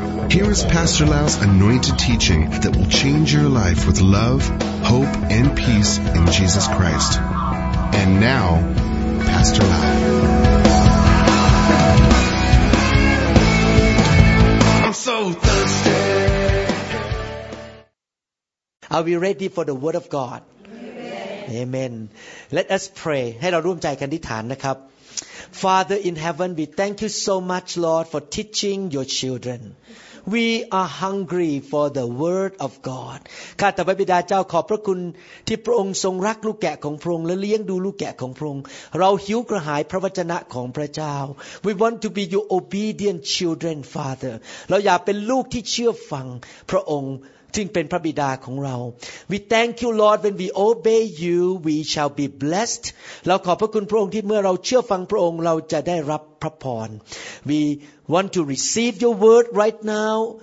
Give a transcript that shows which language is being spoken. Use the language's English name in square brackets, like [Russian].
[English] Here is Pastor Lau's anointed teaching that will change your life with love, hope, and peace in Jesus Christ. And now, Pastor Lau. I'm so thirsty. Are we ready for the Word of God? Amen. Let us pray. [Thai] ให้เราร่วมใจกันอธิษฐานนะครับ [English] Father in heaven, we thank you so much, Lord, for teaching your children. We are hungry for the word of God. [Thai] ข้าแต่พระบิดาเจ้าขอบพระคุณที่พระองค์ทรงรักลูกแกะของพระองค์และเลี้ยงดูลูกแกะของพระองค์เราหิวกระหายพระวจนะของพระเจ้า [English] We want to be your obedient children, Father. [Thai] เราอยากเป็นลูกที่เชื่อฟังพระองค์ซึ่งเป็นพระบิดาของเรา [English] We thank you Lord when we obey you we shall be blessed [Thai] เราขอบพระคุณพระองค์ที่เมื่อเราเชื่อฟังพระองค์เราจะได้รับพระพร [English] We want to receive your word right now